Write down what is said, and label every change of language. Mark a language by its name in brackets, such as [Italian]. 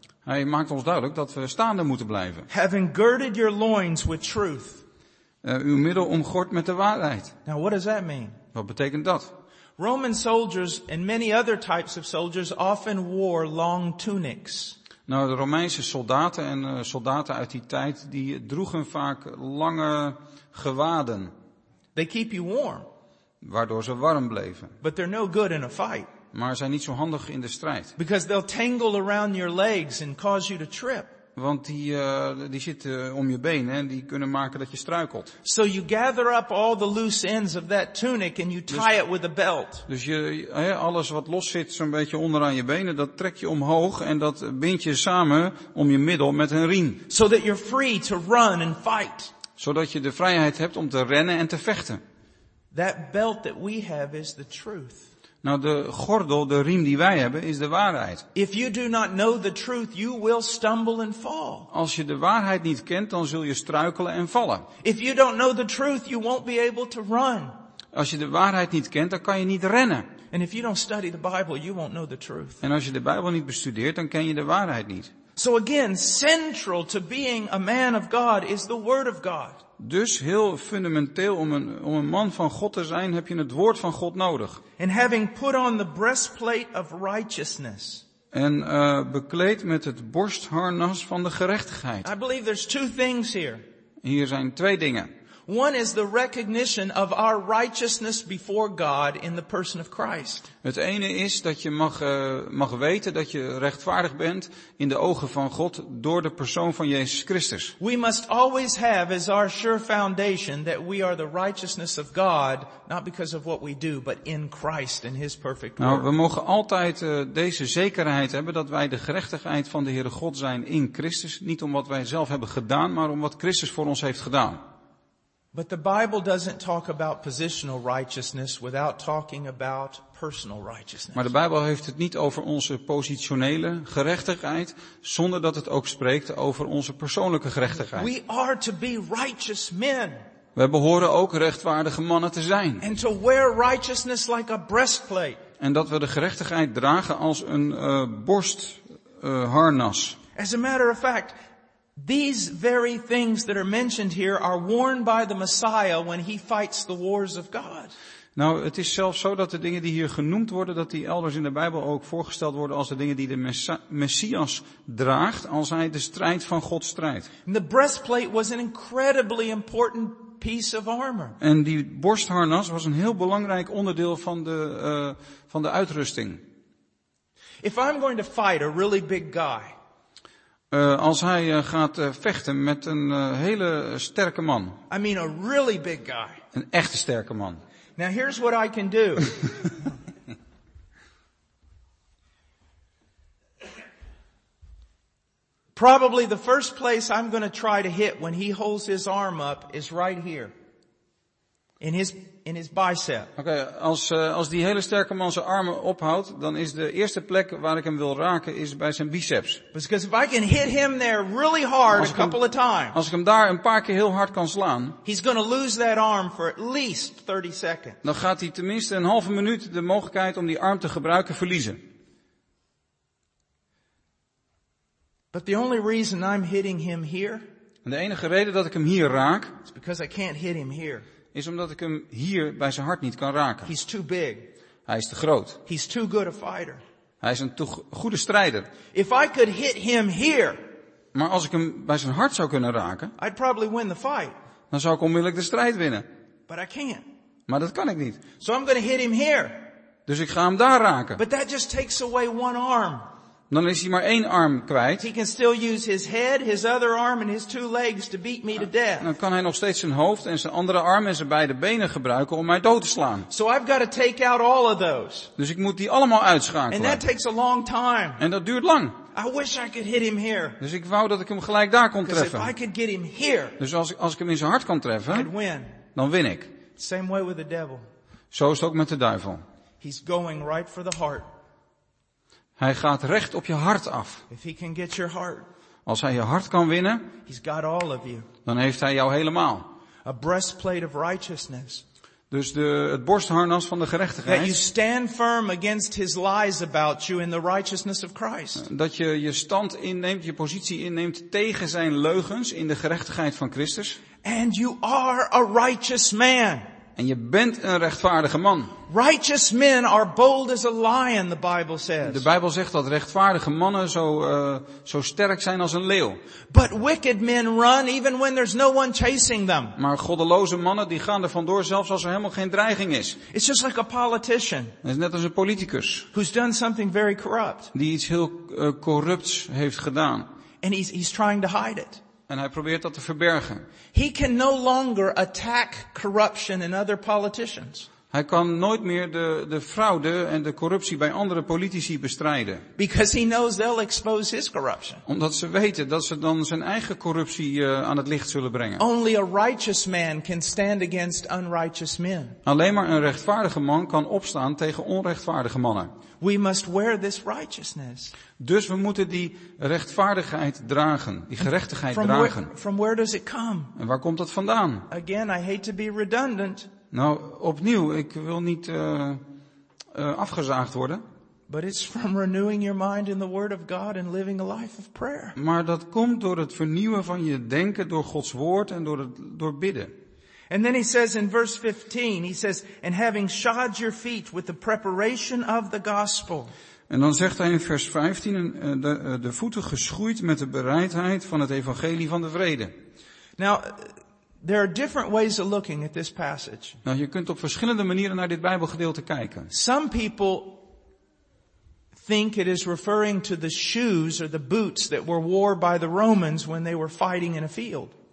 [Dutch] Hij maakt ons duidelijk dat we staande moeten blijven. [English] Having girded your loins with truth. [Dutch] Uw middel omgord met de waarheid. [English] Now what does that mean? [Dutch] Wat betekent dat? [English] Roman soldiers and many other types of soldiers often wore long tunics. [Dutch] Nou, de Romeinse soldaten en soldaten uit die tijd, die droegen vaak lange gewaden. [English] They keep you warm. [Dutch] Waardoor ze warm bleven. [English] But they're no good in a fight. [Dutch] Maar zijn niet zo handig in de strijd. [English] Because they'll tangle around your legs and cause you to trip. [Dutch] Want die zitten om je benen en die kunnen maken dat je struikelt. [English] So you gather up all the loose ends of that tunic and you tie it with a belt. [Dutch] Dus alles wat los zit zo'n beetje onderaan je benen, dat trek je omhoog en dat bind je samen om je middel met een riem. [English] So that you're free to run and fight. [Dutch] Zodat je de vrijheid hebt om te rennen en te vechten. [English] That belt that we have is the truth. [Dutch] Nou, de gordel, de riem die wij hebben, is de waarheid. [English] If you do not know the truth, you will stumble and fall. [Dutch] Als je de waarheid niet kent, dan zul je struikelen en vallen. [English] If you don't know the truth, you won't be able to run. [Dutch] Als je de waarheid niet kent, dan kan je niet rennen. [English] And if you don't study the Bible, you won't know the truth. [Dutch] En als je de Bijbel niet bestudeert, dan ken je de waarheid niet. [English] So again, central to being a man of God is the Word of God. [Dutch] Dus heel fundamenteel om een man van God te zijn, heb je het woord van God nodig. [English] And having put on the breastplate of righteousness. [Dutch] En bekleed met het borstharnas van de gerechtigheid. [English] I believe there's two things here. [Dutch] Hier zijn twee dingen. [English] One is the recognition of our righteousness before God in the person of Christ. [Dutch] Het ene is dat je mag weten dat je rechtvaardig bent in de ogen van God door de persoon van Jezus Christus. [English] We must always have as our sure foundation that we are the righteousness of God, not because of what we do, but in Christ and His perfect work. [Dutch] Nou, we mogen altijd deze zekerheid hebben dat wij de gerechtigheid van de Heere God zijn in Christus, niet om wat wij zelf hebben gedaan, maar om wat Christus voor ons heeft gedaan. [English] But the Bible doesn't talk about positional righteousness without talking about personal righteousness. [Dutch] Maar de Bijbel heeft het niet over onze positionele gerechtigheid zonder dat het ook spreekt over onze persoonlijke gerechtigheid. [English] We are to be righteous men. [Dutch] We behoren ook rechtvaardige mannen te zijn. [English] And to wear righteousness like a breastplate. [Dutch] En dat we de gerechtigheid dragen als een borstharnas. [English] As a matter of fact, these very things that are mentioned here are worn by the Messiah when he fights the wars of God. [Dutch] Nou, het is zelfs zo dat de dingen die hier genoemd worden, dat die elders in de Bijbel ook voorgesteld worden als de dingen die de Messias draagt als hij de strijd van God strijdt. [English] And the breastplate was an incredibly important piece of armor. [Dutch] En die borstharnas was een heel belangrijk onderdeel van de uitrusting. [English] If I'm going to fight a really big guy, [Dutch] Als hij gaat vechten met een hele sterke man. [English] I mean a really big guy. [Dutch] Een echte sterke man. [English] Now here's what I can do. Probably the first place I'm going to try to hit when he holds his arm up is right here. In his bicep. [Dutch] Okay, als die hele sterke man zijn armen ophoudt, dan is de eerste plek waar ik hem wil raken is bij zijn biceps. [English] Because if I can hit him there really hard a couple of times. [Dutch] Als ik hem daar een paar keer heel hard kan slaan. [English] He's going to lose that arm for at least 30 seconds. [Dutch] Dan gaat hij tenminste een halve minuut de mogelijkheid om die arm te gebruiken verliezen. [English] But the only reason I'm hitting him here. [Dutch] En de enige reden dat ik hem hier raak. [English] Is because I can't hit him here. [Dutch] Is omdat ik hem hier bij zijn hart niet kan raken. [English] He's too big. [Dutch] Hij is te groot. [English] He's too good a fighter. [Dutch] Hij is een te goede strijder. [English] If I could hit him here, [Dutch] maar als ik hem bij zijn hart zou kunnen raken, [English] I'd probably win the fight. [Dutch] Dan zou ik onmiddellijk de strijd winnen. [English] But I can't. [Dutch] Maar dat kan ik niet. [English] So I'm gonna hit him here. [Dutch] Dus ik ga hem daar raken. [English] But that just takes away one arm. [Dutch] Dan is hij maar één arm kwijt. [English] He can still use his head, his other arm and his two legs to beat me to death. [Dutch] Dan kan hij nog steeds zijn hoofd en zijn andere arm en zijn beide benen gebruiken om mij dood te slaan. [English] So I've got to take out all of those. [Dutch] Dus ik moet die allemaal uitschakelen. [English] And that takes a long time. [Dutch] En dat duurt lang. [English] I wish I could hit him here. [Dutch] Dus ik wou dat ik hem gelijk daar kon treffen. [English] If I could get him here, [Dutch] dus als ik hem in zijn hart kan treffen, [English] I'd win. [Dutch] Dan win ik. [English] Same way with the devil. [Dutch] Zo is het ook met de duivel. [English] He's going right for the heart. [Dutch] Hij gaat recht op je hart af. [English] If he can get your heart, [Dutch] als hij je hart kan winnen, [English] he's got all of you. [Dutch] Dan heeft hij jou helemaal. [English] A breastplate of righteousness. [Dutch] Dus het borstharnas van de gerechtigheid. [English] That you stand firm against his lies about you in the righteousness of Christ. [Dutch] Dat je je stand inneemt, je positie inneemt tegen zijn leugens in de gerechtigheid van Christus. [English] And you are a righteous man. [Dutch] En je bent een rechtvaardige man. [English] Righteous men are bold as a lion, the Bible says. [Dutch] De Bijbel zegt dat rechtvaardige mannen zo sterk zijn als een leeuw. [English] But wicked men run even when there's no one chasing them. [Dutch] Maar goddeloze mannen die gaan er vandoor zelfs als er helemaal geen dreiging is. [English] It's just like a politician. [Dutch] Het is net als een politicus. [English] Who's done something very corrupt. [Dutch] Die iets heel corrupts heeft gedaan. [English] And he's trying to hide it. [Dutch] En hij probeert dat te verbergen. [English] He can no longer attack corruption in other politicians. [Dutch] Hij kan nooit meer de fraude en de corruptie bij andere politici bestrijden. [English] Because he knows they'll expose his corruption. [Dutch] Omdat ze weten dat ze dan zijn eigen corruptie aan het licht zullen brengen. [English] Only a righteous man can stand against unrighteous men. [Dutch] Alleen maar een rechtvaardige man kan opstaan tegen onrechtvaardige mannen. [English] We must wear this righteousness. [Dutch] Dus we moeten die rechtvaardigheid dragen, die gerechtigheid dragen. [English] From where does it come? [Dutch] En waar komt dat vandaan? [English] Again, I hate to be redundant. [Dutch] Nou, opnieuw, ik wil niet afgezaagd worden. [English] But it's from renewing your mind in the Word of God and living a life of prayer. [Dutch] Maar dat komt door het vernieuwen van je denken door Gods woord en door bidden. [English] And then he says in verse 15, he says, and having shod your feet with the preparation of the gospel. [Dutch] En dan zegt hij in vers 15, de voeten geschoeid met de bereidheid van het evangelie van de vrede. [English] Now, there are different ways of looking at this passage. [Dutch] Nou, je kunt op verschillende manieren naar dit Bijbelgedeelte kijken. [English] Some people think it is referring to the shoes or the boots that were worn by the Romans when they were fighting in a field.